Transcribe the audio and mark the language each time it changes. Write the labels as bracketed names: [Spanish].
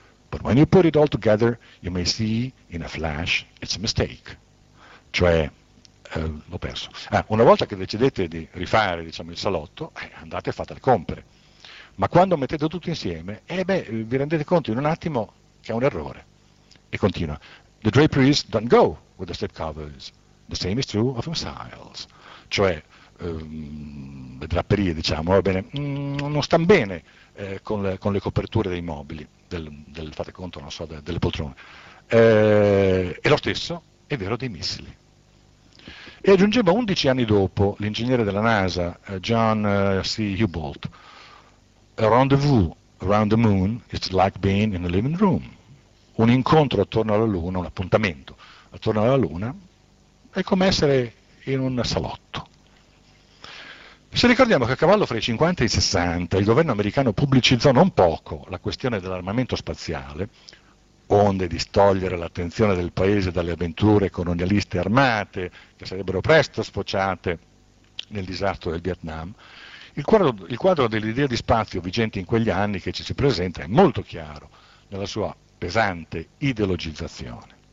[English] But when you put it all together, you may see in a flash it's a mistake. [Italian] Cioè, l'ho perso. Ah, una volta che decidete di rifare, diciamo, il salotto, andate e fatelo compiere. Ma quando mettete tutto insieme, beh, vi rendete conto in un attimo che è un errore. E continua. [English] The draperies don't go with the slip covers. The same is true of missiles. [Italian] Cioè, le draperie, diciamo, bene, non stanno bene con le coperture dei mobili, fate conto, non so, delle poltrone. E lo stesso è vero dei missili. E aggiungeva 11 anni dopo l'ingegnere della NASA, [English] John C. Hubbold, a rendezvous around the moon is like being in a living room. [Italian] Un incontro attorno alla Luna, un appuntamento attorno alla Luna, è come essere in un salotto. Se ricordiamo che a cavallo fra i 50 e i 60 il governo americano pubblicizzò non poco la questione dell'armamento spaziale, onde distogliere l'attenzione del paese dalle avventure colonialiste armate che sarebbero presto sfociate nel disastro del Vietnam, il quadro dell'idea di spazio vigente in quegli anni che ci si presenta è molto chiaro nella sua pesante ideologizzazione.